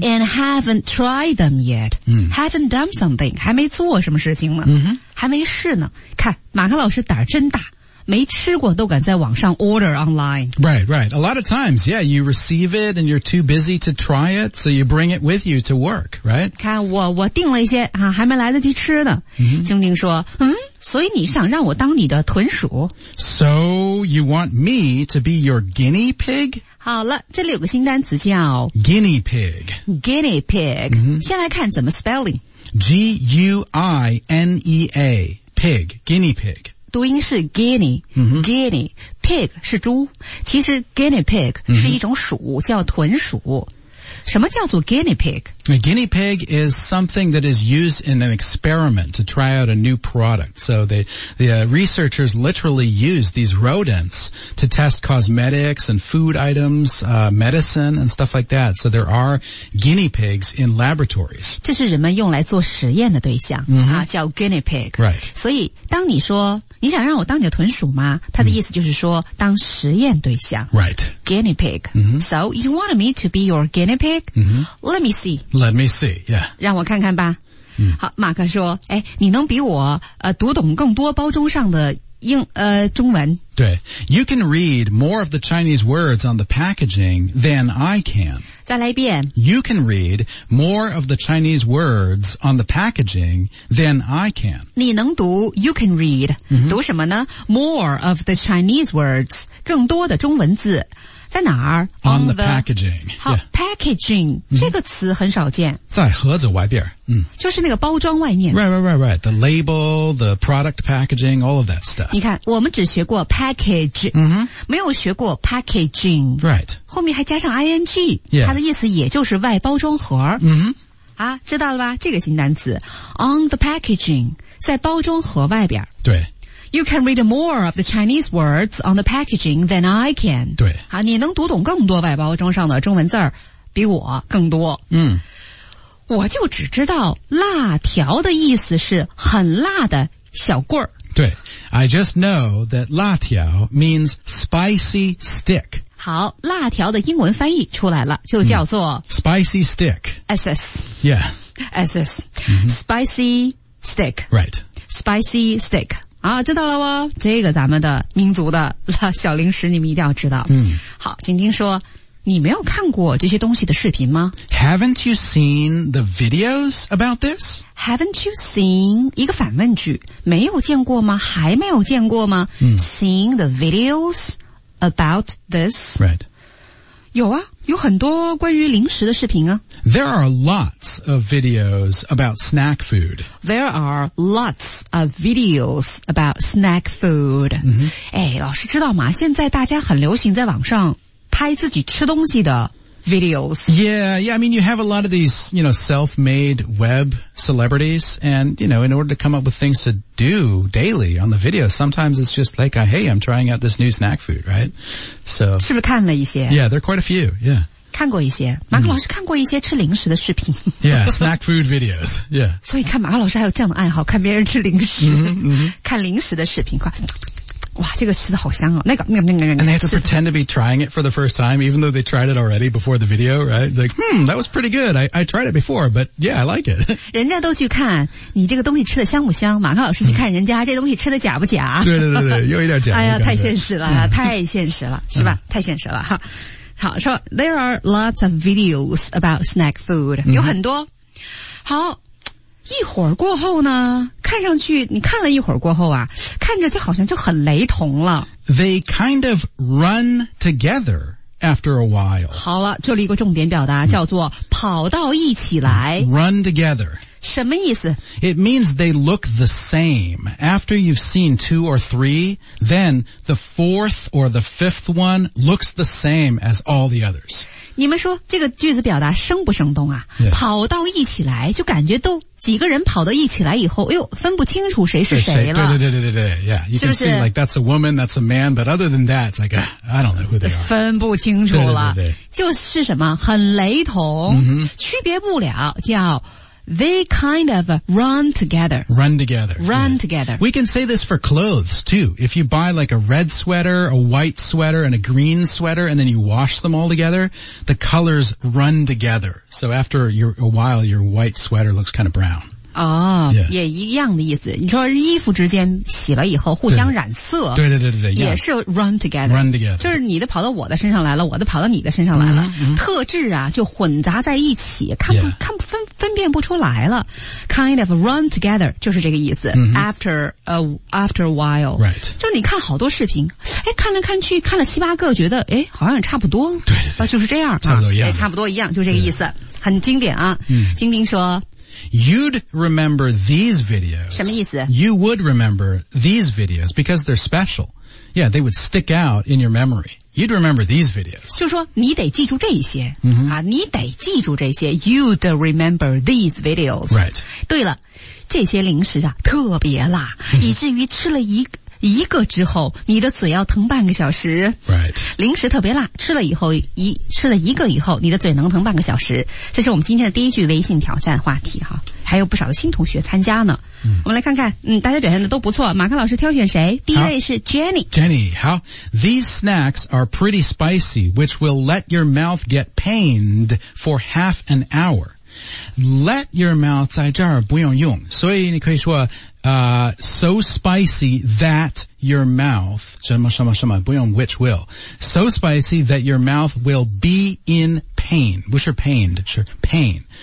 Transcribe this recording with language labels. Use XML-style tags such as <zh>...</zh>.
<en>and haven't tried them yet、 mm-hmm. haven't done something</en> <zh>还没做什么事情呢、 mm-hmm. 还没试呢看马克老师胆真大没吃过都敢在网上</zh> <en>order online Right, right A lot of times, yeah you receive it and you're too busy to try it so you bring it with you to work, right</en> <zh>看我订了一些、啊、还没来得及吃呢静静、 mm-hmm. 说嗯所以你想让我当你的豚鼠</zh> <en>So you want me to be your guinea pig?</en> <zh>好了这里有个新单词叫</zh> <en>Guinea pig Guinea pig、 mm-hmm.</en> <zh>先来看怎么 spelling</zh> <en>G-U-I-N-E-A Pig Guinea pig</en> <zh>读音是 guinea,、 mm-hmm. guinea, pig 是猪。其实 guinea pig 是一种鼠、 mm-hmm. 叫豚鼠。什么叫做 guinea pig?</zh> <en>A guinea pig is something that is used in an experiment to try out a new product. So the researchers literally use these rodents to test cosmetics and food items,、medicine and stuff like that. So there are guinea pigs in laboratories.</en> <zh>这是人们用来做实验的对象、 mm-hmm. 啊、叫 guinea pig.</zh> <en>Right.</en> <zh>所以当你说你想让我当你的豚鼠吗他的意思就是说、mm-hmm. 当实验对象</zh> <en>Right Guinea pig、 mm-hmm. So you want me to be your guinea pig?、 Mm-hmm. Let me see Let me see, yeah</en> <zh>让我看看吧、 mm-hmm. 好马克说哎，你能比我读懂更多包装上的英中文</zh> <en>对 You can read more of the Chinese words on the packaging than I can</en> <zh>再来一遍</zh> <en>You can read more of the Chinese words on the packaging than I can</en> <zh>你能读</zh> <en>You can read、 mm-hmm.</en> <zh>读什么呢</zh> <en>More of the Chinese words</en> <zh>更多的中文字在哪儿</zh> <en>On the packaging</en> <zh>好、 yeah. packaging 这个词很少见在盒子外边、嗯、就是那个包装外面</zh> <en>Right, right, right, right The label, the product packaging, all of that stuff</en> <zh>你看我们只学过 package、 mm-hmm. 没有学过 packaging</zh> <en>Right</en> <zh>后面还加上 ing、 yeah. 它的意思也就是外包装盒、 mm-hmm. 啊，知道了吧这个新单词</zh> <en>On the packaging</en> <zh>在包装盒外边对</zh> <en>You can read more of the Chinese words on the packaging than I can.</en> <zh>对。好你能读懂更多外包装上的中文字儿比我更多。嗯。我就只知道辣条的意思是很辣的小棍儿。对。</zh> <en>I just know that</en> <zh>辣条</zh> <en>means spicy stick.</en> <zh>好辣条的英文翻译出来了就叫做、</zh> <en>Spicy stick. SS. Yeah. SS.、 Mm-hmm. Spicy stick. Right. Spicy stick.</en> <zh>啊，知道了哦，这个咱们的民族的小零食你们一定要知道。嗯，好，晶晶说，你没有看过这些东西的视频吗</zh> <en>？Haven't you seen the videos about this? Haven't you seen</en> <zh>一个反问句，没有见过吗？还没有见过吗、嗯、</zh> <en>？Seen the videos about this? Right.</en> <zh>有啊，有很多关于零食的视频啊。</zh> <en>There are lots of videos about snack food. There are lots of videos about snack food.、 Mm-hmm.</en> <zh>哎，老师知道吗？现在大家很流行在网上拍自己吃东西的 videos.</zh> <en>Yeah, I mean, you have a lot of these, you know, self-made web celebrities. And, you know, in order to come up with things to do daily on the video, sometimes it's just like, hey, I'm trying out this new snack food, right? So,</en> <zh>是不是看了一些?</zh> <en>Yeah, there are quite a few, yeah.</en> <zh>看过一些马克老师看过一些吃零食的视频、mm-hmm.</zh> <en>Yeah, snack food videos Yeah.</en> <zh>所以看马克老师还有这样的爱好看别人吃零食、 mm-hmm. 看零食的视频快哇这个吃的好香哦那个那个那个</zh> <en>And they have to pretend to be trying it for the first time even though they tried it already before the video right like that was pretty good I tried it before but yeah I like it</en> <zh>人家都去看你这个东西吃的香不香马克老师去看人家、mm-hmm. 这东西吃的假不假对对对对又一点假哎呀太现实了、mm-hmm. 太现实了是吧、mm-hmm. 太现实了哈好说 ,</zh> <en>there are lots of videos about snack food,、嗯、</en> <zh>有很多。好一会儿过后呢看上去你看了一会儿过后啊，看着就好像就很雷同了。</zh> <en>They kind of run together after a while.</en> <zh>好了，这里一个重点表达叫做跑到一起来。</zh> <en>Run together.</en> <zh>什么意思?</zh> <en>It means they look the same. After you've seen two or three, then the fourth or the fifth one looks the same as all the others.</en> <zh>你们说这个句子表达生不生动啊?</zh> <en>Yes.</en> <zh>跑到一起来就感觉都几个人跑到一起来以后哎呦分不清楚谁是谁了。对对对对对对</zh> <en>Yeah. You</en> <zh>是不是?</zh> <en>Can see like that's a woman, that's a man, but other than that, it's like, I don't know who they are.</en> <zh>分不清楚了。对对对对。就是什么很雷同、 mm-hmm. 区别不了叫</zh> <en>They kind of run together. Run together. Run、yeah. together. We can say this for clothes too. If you buy like a red sweater, a white sweater, and a green sweater, and then you wash them all together, the colors run together. So after a while, your white sweater looks kind of brown. Oh,、 yeah.</en> <zh>也一样的意思。你说衣服之间洗了以后互相染色。对对对对对。也是</zh> <en>run together. Run together.</en> <zh>就是你的跑到我的身上来了，我的跑到你的身上来了。 Mm-hmm. 特质啊就混杂在一起，看不、 yeah. 看不分辨不出来了 ，</zh> <en>kind of run together</en> <zh>就是这个意思。 Mm-hmm.</zh> <en>After a while， right，</en> <zh>就是你看好多视频，哎，看来看去看了七八个，觉得哎好像也差不多，对对对，就是这样，差不多一样、啊，差不多一样，就这个意思，很经典啊。嗯、晶晶说</zh> <en>，You'd remember these videos，</en> <zh>什么意思</zh> <en>？You would remember these videos because they're special。 Yeah, they would stick out in your memory. You'd remember these videos.</en> <zh>就说你得记住这些、 mm-hmm. 啊，你得记住这些。</zh> <en>You'd remember these videos. Right.</en> <zh>对了，这些零食啊特别辣， mm-hmm. 以至于吃了一个之后，你的嘴要疼半个小时。</zh> <en>Right.</en> <zh>零食特别辣，吃了一个以后，你的嘴能疼半个小时。这是我们今天的第一句微信挑战话题哈，还有不少的新同学参加呢。 Mm-hmm. 我们来看看，大家表现的都不错。马克老师挑选谁？第一位是 Jenny。 Jenny, 好。</zh> <en>These snacks are pretty spicy, which will let your mouth get pained for half an hour. Let your mouth</en> <zh>在这儿不用用，所以你可以说。</zh> <en>So spicy that your mouth,</en> <zh>什么什么什么不用</zh> <en>which will, so spicy that your mouth will be in pain, which are pained, sure, pain.</en>